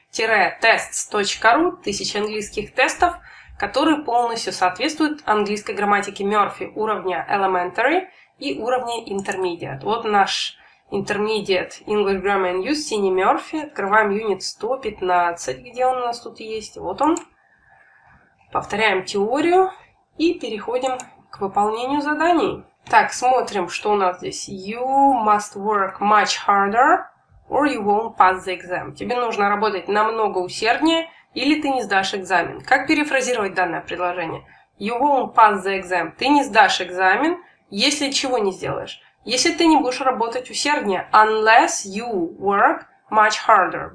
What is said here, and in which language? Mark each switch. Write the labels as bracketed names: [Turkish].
[Russian] tests.ru, 1000 английских тестов, которые полностью соответствуют английской грамматике Мёрфи уровня Elementary и уровня Intermediate. Вот наш Intermediate English Grammar and Use Сини Мёрфи. Открываем юнит 115, где он у нас тут есть. Вот он. Повторяем теорию и переходим к выполнению заданий. Так, смотрим, что у нас здесь. [English] You must work much harder or you won't pass the exam. [Russian] Тебе нужно работать намного усерднее, или ты не сдашь экзамен. Как перефразировать данное предложение? [English] You won't pass the exam. [Russian] Ты не сдашь экзамен, если чего не сделаешь. Если ты не будешь работать усерднее. [English] Unless you work much harder.